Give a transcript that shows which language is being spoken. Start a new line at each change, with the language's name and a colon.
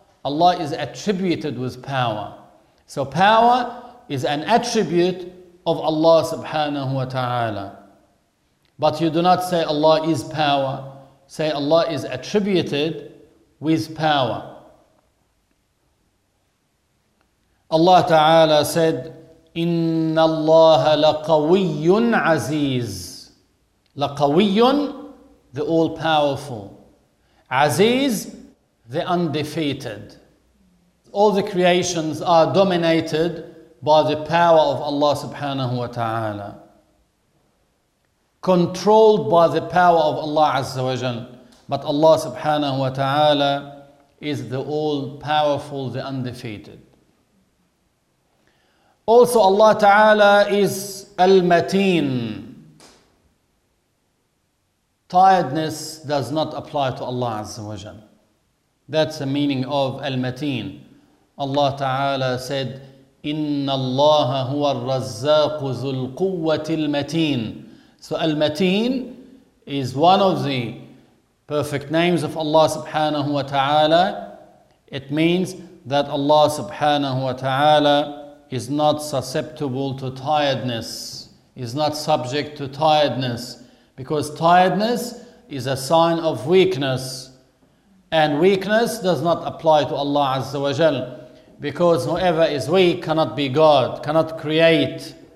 English: Allah is attributed with power. So power is an attribute of Allah subhanahu wa ta'ala. But you do not say Allah is power. Say Allah is attributed with power. Allah ta'ala said,
Arabic: إِنَّ اللَّهَ لَقَوِيٌّ عَزِيزٌ.
English: لَقَوِيٌّ, the all-powerful. عَزِيز, the undefeated. All the creations are dominated by the power of Allah subhanahu wa ta'ala. Controlled by the power of Allah azza wa jal. But Allah subhanahu wa ta'ala is the all-powerful, the undefeated. Also, Allah Ta'ala is Al-Mateen. Tiredness does not apply to Allah Azza wa Jal. That's the meaning of Al-Mateen. Allah Ta'ala said,
Arabic: إِنَّ اللَّهَ هُوَ الرَّزَّاقُ ذُو الْقُوَّةِ الْمَتِينَ.
English: So Al-Mateen is one of the perfect names of Allah Subhanahu wa Ta'ala. It means that Allah Subhanahu wa Ta'ala is not susceptible to tiredness, is not subject to tiredness, because tiredness is a sign of weakness, and weakness does not apply to Allah Azza wa Jal, because whoever is weak cannot be God, cannot create.